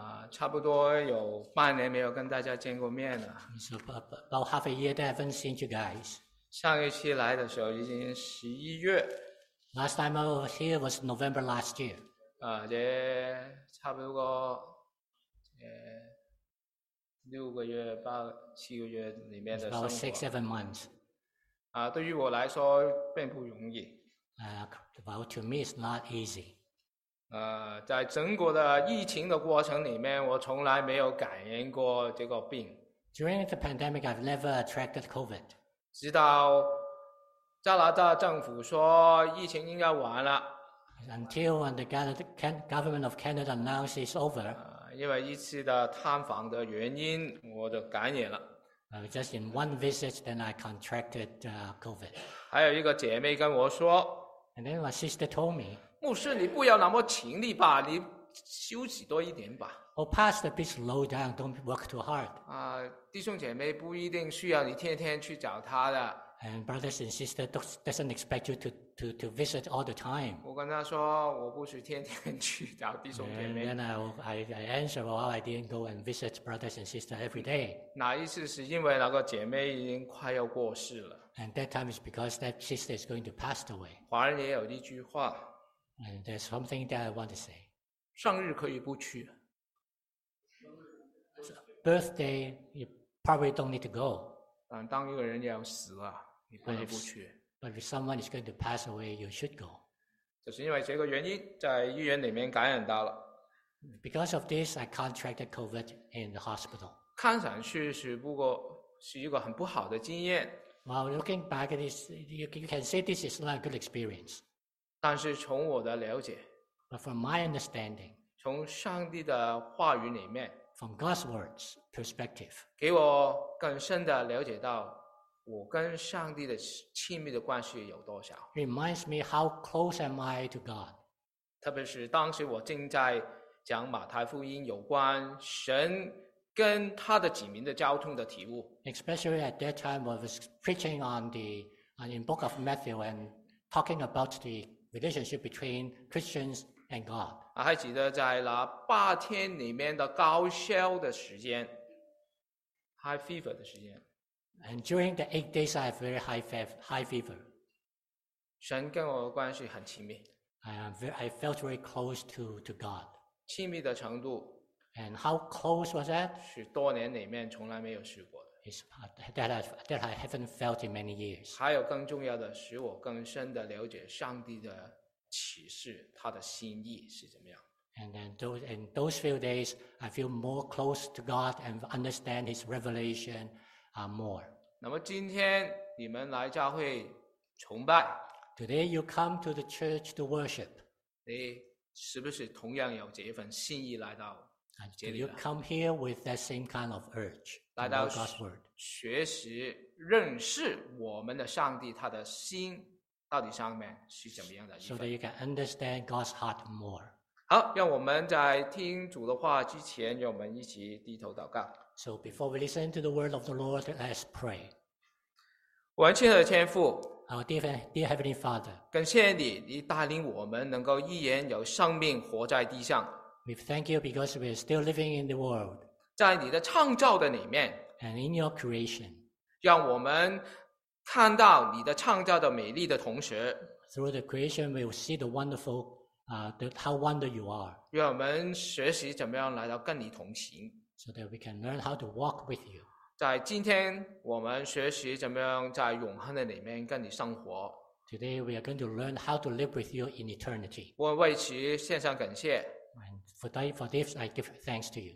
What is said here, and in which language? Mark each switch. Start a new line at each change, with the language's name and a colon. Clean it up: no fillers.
Chinese: 差不多有半年没有跟大家见过面了。
English: So about half a year that I haven't seen you guys.
Chinese: 上一期来的时候已经十一月。
English: Last time I was here was November last year.
Chinese: 这差不多六个月八七个月里面的生活。
English: About six, 7 months.
Chinese: 对于我来说并不容易。
English: But to me, it's not easy.
Chinese: 在整个的疫情的过程里面，我从来没有感染过这个病。
English: During the pandemic, I've never attracted COVID.
Chinese: 直到加拿大政府说疫情应该完了。
English: Until when the government of Canada announced it's over.
Chinese: 因为一次的探访的原因，我就感染了。
English: Just in one visit, then I contracted COVID.
Chinese: 还有一个姐妹跟我说
English: ，And then my sister told me,
Chinese: 牧师，你不要那么勤力吧，你休息多一点吧。
English: Oh, pastor, please slow down. Don't work too hard.
Chinese: 弟兄姐妹不一定需要你天天去找他的。
English: And brothers and sisters doesn't expect you to visit all the time.
Chinese: 我跟他说，我不是天天去找弟兄姐妹。
English: And then I answer, well, I didn't go and visit brothers and sisters every day.
Chinese: 那一次是因为那个姐妹已经快要过世了。
English: And that time is because that sister is going to pass away.
Chinese: 华人也有一句话。
English: And there's something that I want to say.
Chinese: 生日可以不去。
English: Birthday, you probably don't need to go.
Chinese: 当一个人要死了，你不能不去。
English: But if someone is going to pass away, you should go.
Chinese: 就是因为这个原因，在医院里面感染到了。
English: Because of this, I contracted COVID in the hospital.
Chinese: 看上去是不过是一个很不好的经验。
English: Well, looking back at this, you can say this is not a good experience.
Chinese: 但是从我的了解
English: ，But from my understanding,
Chinese: 从上帝的话语里面。
English: From God's words perspective,
Chinese: 给我更深的了解到我跟上帝的亲密的关系有多少。
English: Reminds me how close am I to God?
Chinese: 特别是当时我正在讲马太福音有关神跟他的子民的交通的体悟。
English: Especially at that time, I was preaching in the book of Matthew and talking about the relationship between Christians and God.
Chinese: 还记得在那八天里面的高烧的时间 ，
English: high fever
Chinese: 的时间。
English: And during the 8 days, I have very high fever.
Chinese: 神跟我的关系很亲密。
English: I felt very close to God.
Chinese: 亲密的程度。
English: And how close was that?
Chinese: 是多年里面从来没有试过的。
English: That I haven't felt in many years.
Chinese: 还有更重要的，使我更深的了解上帝的。启示他的心意是怎么样
English: ？And then those few days, I feel more close to God and understand His revelation more.
Chinese: 那么今天你们来教会崇拜
English: ？Today you come to the church to worship.
Chinese: 你是不是同样有这一份心意来到这里
English: ？Do you come here with that same kind of urge?
Chinese: 来到
English: God's word,
Chinese: 学习认识我们的上帝，他的心。到底上面是怎么样的
English: ？So that you can understand God's heart more.
Chinese: 好，让我们在听主的话之前，让我们一起低头祷告。
English: So before we listen to the word of the Lord, let's pray.
Chinese: 我们亲爱的天父
English: ，Dear Heavenly Father,
Chinese: 感谢你，你带领我们能够依然有生命活在地上。
English: We thank you because we are still living in the world.
Chinese: 在你的创造的里面
English: ，and in your creation,
Chinese: 让我们。看到你的创造的美丽的同时
English: ，Through the creation, we will see the wonderful, how wonderful you are.
Chinese: 让我们学习怎么样来到跟你同行
English: ，So that we can learn how to walk with you.
Chinese: 在今天，我们学习怎么样在永恒的里面跟你生活
English: ，Today we are going to learn how to live with you in eternity.
Chinese: 我为此献上感谢
English: ，And for this, I give thanks to you.